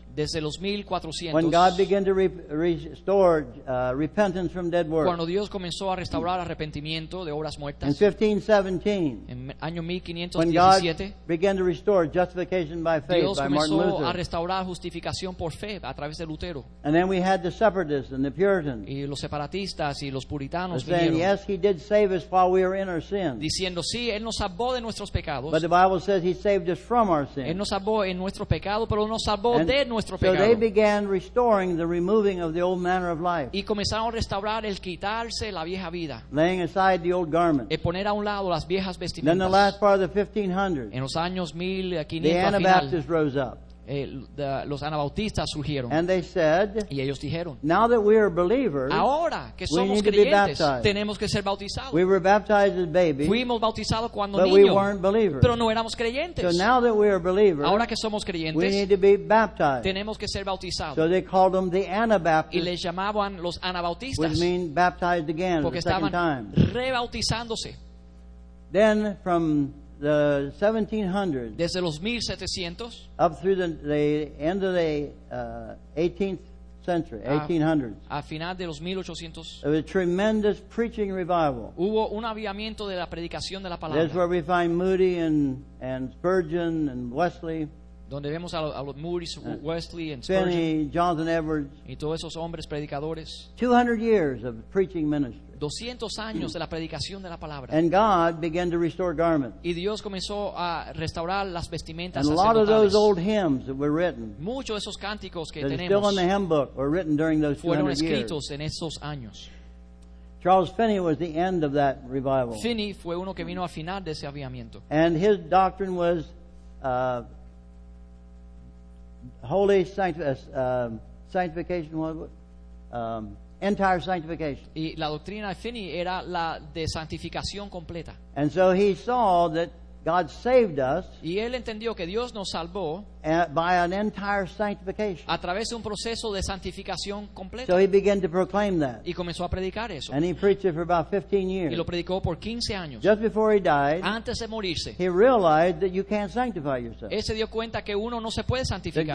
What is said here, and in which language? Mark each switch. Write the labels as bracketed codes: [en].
[es] Desde los 1400s. [en] When God began to restore repentance from dead works. [es] Cuando Dios comenzó a restaurar arrepentimiento de obras muertas. [en] In 1517. [es] En año 1517. [en] When God began to restore justification by faith [es] Dios [en] by Martin Luther. [es] Dios comenzó a restaurar justificación por fe a través de Lutero. [en] And then we had the separatists and the Puritans. [es] Y los separatistas y los puritanos [en] saying, [es] vinieron. [en] Yes, He did save us while we were in our sins. [es] Diciendo sí, él nos salvó de nuestros pecados. [en] But the Bible says He saved us from our sins. [es] Él nos salvó en nuestro pecado, pero nos salvó [en] and [es] de [en] So they began restoring the removing of the old manner of life. [es] Y comenzaron a restaurar el quitarse la vieja vida. [en] Laying aside the old garments. [es] El poner a un lado las viejas vestimentas. [en] Then the last part of the 1500s. [es] En los años 1500. [en] The Anabaptists rose up. [es] Los anabautistas surgieron. [en] And they said. [es] Y ellos dijeron. [en] Now that we are believers. [es] Ahora que somos [en] we need [es] creyentes, [en] to be baptized. [es] Tenemos que ser bautizados. [en] We were baptized as babies. [es] Fuimos bautizados cuando [en] but [es] niño, [en] we weren't believers. [es] Pero no éramos creyentes. [en] So now that we are believers. [es] Ahora que somos creyentes, [en] we need to be baptized. [es] Tenemos que ser bautizados. [en] So they called them the Anabaptists. [es] Y les llamaban los anabautistas. [en] Which means baptized again [es] porque [en] for the second time. [es] Rebautizándose. [en] Then from the 1700s [es] desde los 1700s [en] up through the end of the 18th century 1800s [es] a final de los 1800s [en] there was a tremendous preaching revival [es] hubo un avivamiento de la predicación de la palabra. [en] That's where we find Moody and Spurgeon and Wesley [es] donde vemos a los Moody Wesley and Finney, Spurgeon Jonathan Edwards y todos esos hombres predicadores [en] 200 years of preaching ministry [es] 200 años de la predicación de la palabra. [en] And God began to restore garments. [es] Y Dios comenzó a restaurar las vestimentas [en] and [es] sacerdotales. [en] A lot of those old hymns that were written. [es] Muchos de esos cánticos que tenemos. [en] Still in the hymn book were written during those 200 years. [es] Fueron escritos en esos años. [en] Charles Finney was the end of that revival. [es] Finney fue uno que vino al final de ese avivamiento. [en] And his doctrine was holy sanctification was entire sanctification. [es] Y la doctrina de Finney era la de santificación completa. [en] And so he saw that God saved us. [es] Y él entendió que Dios nos salvó. [en] By an entire sanctification. [es] A través de un proceso de santificación completa. [en] So he began to proclaim that. [es] Y comenzó a predicar eso. [en] And he preached it for about 15 years. [es] Y lo predicó por 15 años. [en] Just before he died. [es] Antes de morirse. [en] He realized that you can't sanctify yourself. [es] Él se dio cuenta que uno no se puede santificar.